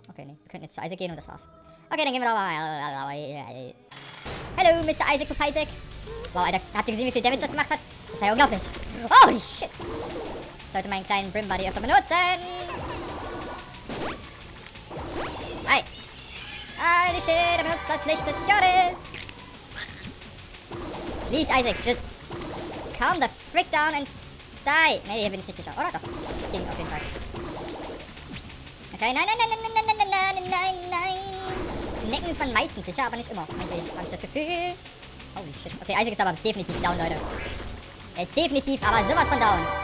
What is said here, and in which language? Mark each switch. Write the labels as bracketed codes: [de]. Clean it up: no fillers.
[de] Okay, nee. Wir könnten jetzt zu Isaac gehen und das war's. Okay, dann gehen wir da mal. [en] Hello, Mr. Isaac of Isaac. [de] Wow, Alter, habt ihr gesehen, wie viel Damage das gemacht hat? Das war ja unglaublich. Holy shit! Ich sollte meinen kleinen Brimbody öfter benutzen. Ei. Holy shit, er benutzt das Licht des Gottes. [en] Please, Isaac, just calm the frick down and die. [de] Nee, hier bin ich nicht sicher. Oder doch? Das ging auf jeden Fall. Okay, nein, nein, nein, nein, nein, nein, nein, nein, nein, nein, nein. Necken ist man meistens sicher, aber nicht immer. Okay, hab ich das Gefühl. Holy shit. Okay, Isaac ist aber definitiv down, Leute. Er ist definitiv aber sowas von down.